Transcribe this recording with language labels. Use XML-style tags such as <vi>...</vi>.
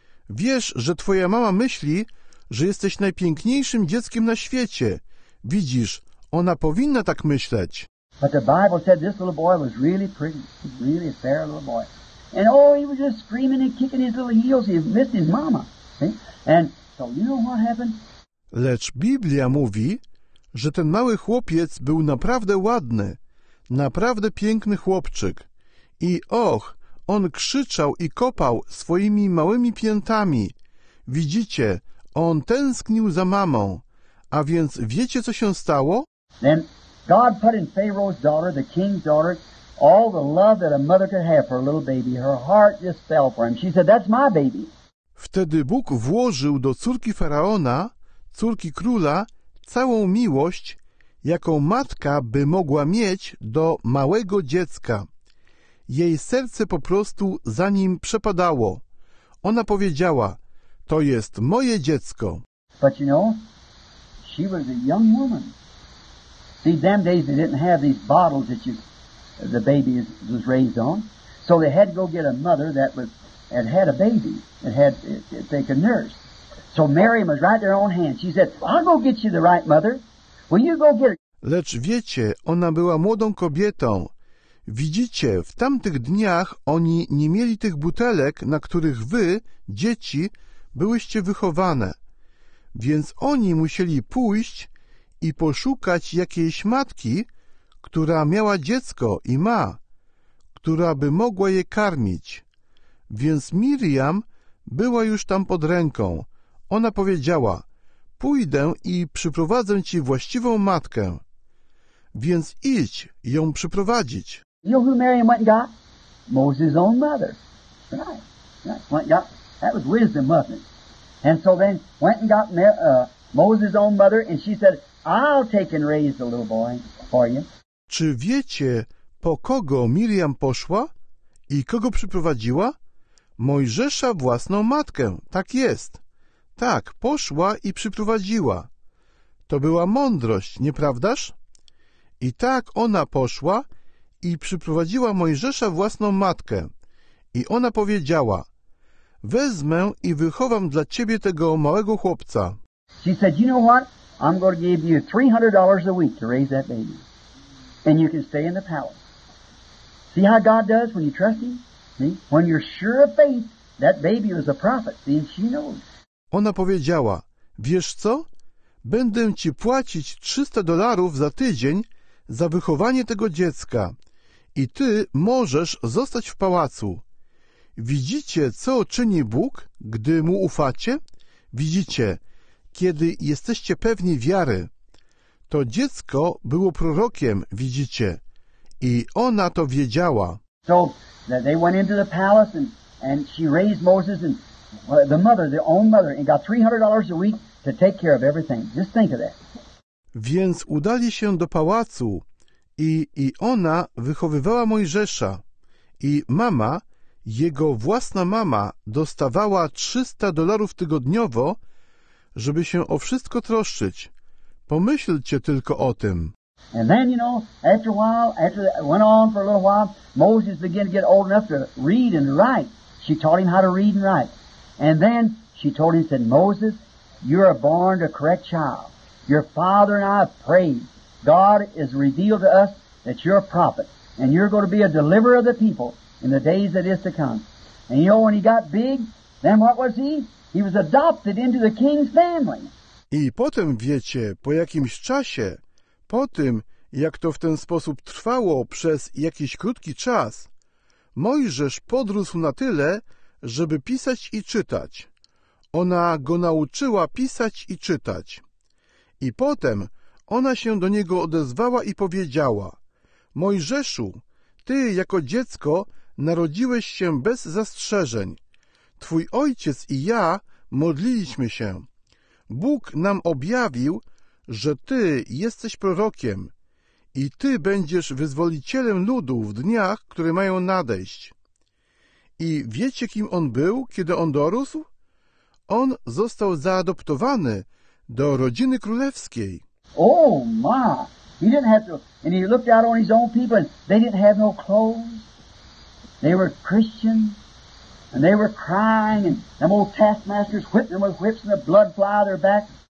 <pl>Wiesz, że twoja mama myśli, że jesteś najpiękniejszym dzieckiem na świecie. Widzisz, ona powinna tak myśleć.</pl> <en>But the Bible said this little boy was really pretty, really a fair little boy. And he was just screaming and kicking his little heels. He missed his mama. See? And so you know what happened?</en> <pl>Lecz Biblia mówi, że ten mały chłopiec był naprawdę ładny, naprawdę piękny chłopczyk. I on krzyczał i kopał swoimi małymi piętami. Widzicie, on tęsknił za mamą. A więc wiecie, co się stało?</pl> <en>Then God put in Pharaoh's daughter, the king's daughter, all the love that a mother could have for a little baby. Her heart just fell for him. She said, that's my baby.</en> <pl>Wtedy Bóg włożył do córki Faraona, córki króla, całą miłość, jaką matka by mogła mieć do małego dziecka. Jej serce po prostu za nim przepadało. Ona powiedziała, to jest moje dziecko.</pl> <en>But you know, she was a young woman. See, them days they didn't have these bottles that you... The baby was raised on. So they had to go get a mother that was and had a baby. It had they could nurse. So Mary was right there on hand. She said, "I'll go get you the right mother. Will you go get her?"</en> <pl>Lecz wiecie, ona była młodą kobietą. Widzicie, w tamtych dniach oni nie mieli tych butelek, na których wy, dzieci, byłyście wychowane. Więc oni musieli pójść i poszukać jakiejś matki, która miała dziecko i ma, która by mogła je karmić. Więc Miriam była już tam pod ręką. Ona powiedziała: "Pójdę i przyprowadzę ci właściwą matkę." Więc idź ją przyprowadzić.</pl> <en>You know who Miriam went and got? Moses' own mother. Right. Went and got, that was wisdom, wasn't it? And so then went and got Moses' own mother, and she said, "I'll take and raise the little boy for you."</en> <pl>Czy wiecie, po kogo Miriam poszła i kogo przyprowadziła? Mojżesza własną matkę. Tak jest. Tak, poszła i przyprowadziła. To była mądrość, nieprawdaż? I tak ona poszła i przyprowadziła Mojżesza własną matkę. I ona powiedziała: "Wezmę i wychowam dla ciebie tego małego chłopca."</pl> <en>She said, "You know what? I'm going to give you $300 a week to raise that baby. And you can stay in the palace. See how God does when you trust him? See? When you're sure of faith, that baby was a prophet." See, she knows.</en> <pl>Ona powiedziała: "Wiesz co? Będę ci płacić $300 za tydzień za wychowanie tego dziecka i ty możesz zostać w pałacu. Widzicie, co czyni Bóg, gdy mu ufacie? Widzicie, kiedy jesteście pewni wiary. To dziecko było prorokiem, widzicie, i ona to wiedziała."</pl> <en>So they went into the palace and she raised Moses and the mother, the own mother, and got $300 a week to take care of everything. Just think of that.</en> <pl>Więc udali się do pałacu i ona wychowywała Mojżesza i mama, jego własna mama, dostawała $300 tygodniowo, żeby się o wszystko troszczyć. Pomyślcie tylko o tym.</pl> <en>And then, you know, after a while, after it went on for a little while, Moses began to get old enough to read and write. She taught him how to read and write. And then she told him, said, "Moses, you are born a correct child. Your father and I have prayed. God has revealed to us that you're a prophet, and you're going to be a deliverer of the people in the days that is to come." And you know, when he got big, then what was he? He was adopted into the king's family.</en> <pl>I potem, wiecie, po jakimś czasie, po tym, jak to w ten sposób trwało przez jakiś krótki czas, Mojżesz podrósł na tyle, żeby pisać i czytać. Ona go nauczyła pisać i czytać. I potem ona się do niego odezwała i powiedziała: "Mojżeszu, ty jako dziecko narodziłeś się bez zastrzeżeń. Twój ojciec i ja modliliśmy się. Bóg nam objawił, że ty jesteś prorokiem i ty będziesz wyzwolicielem ludu w dniach, które mają nadejść." I wiecie, kim on był, kiedy on dorósł? On został zaadoptowany do rodziny królewskiej.</pl> <en>Oh my! He didn't have to. And he looked out on his own people, and they didn't have no clothes. They were Christian, and they were crying, and them old taskmasters whipped them with whips, and the blood fly their back.</en>